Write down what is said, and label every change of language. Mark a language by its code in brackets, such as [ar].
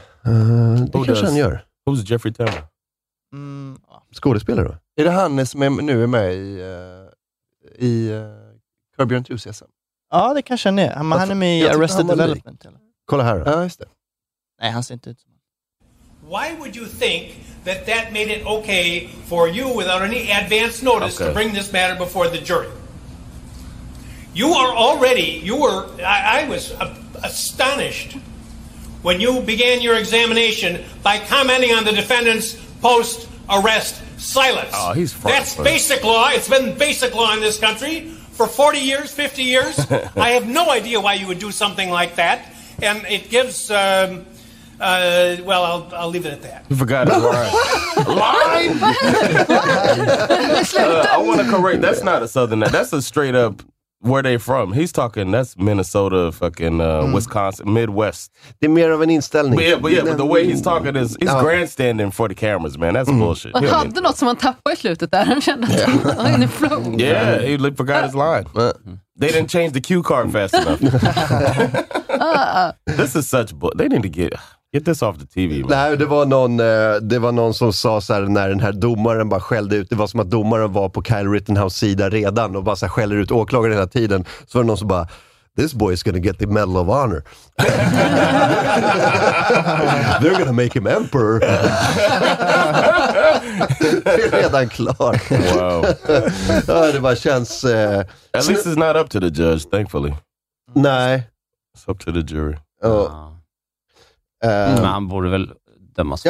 [sv] Kanske han gör. [en] Who's Jeffrey Tambor? [sv] Skådespelare då? Är det han som nu är med i Curb Your Enthusiasm? Ja, det kanske han är. Han är med i Arrested Development. Eller? Kolla här. Ja, just det. Nej, han ser inte ut som han. [en] Why would you think that that made it okay for you without any advance notice to bring this matter before the jury? You are already, I was astonished when you began your examination by commenting on the defendant's post-arrest silence. Oh, he's frustrated. That's basic law. It's been basic law in this country. For 40 years, 50 years, I have no idea why you would do something like that. And it gives, I'll leave it at that. You forgot his line. Line? I want to correct, that's not a southern, that's a straight up, where they from. He's talking, that's Minnesota, fucking Wisconsin, Midwest. [sv] Det är mer av en inställning. [en] But the way he's talking is, he's grandstanding for the cameras, man. That's bullshit. [sv] Han hade något som han tappade i slutet där. Han kände att han var in i flow. [en] Yeah, he forgot his line. They didn't change the cue card fast enough. This is such bullshit. They need to get this off the TV, man. [sv] Nej, det var någon som sa så här, när den här domaren bara skällde ut, det var som att domaren var på Kyle Rittenhouse sida redan och bara så skäller ut åklagaren hela tiden, så var det någon som bara, [en] this boy is gonna get the Medal of Honor. They're gonna make him emperor. [sv] Det är redan klar. Wow. Ja, det bara känns [en] at least it's not up to the judge, thankfully. [sv] Nej, [en] it's up to the jury. [sv] Men han borde väl dömas för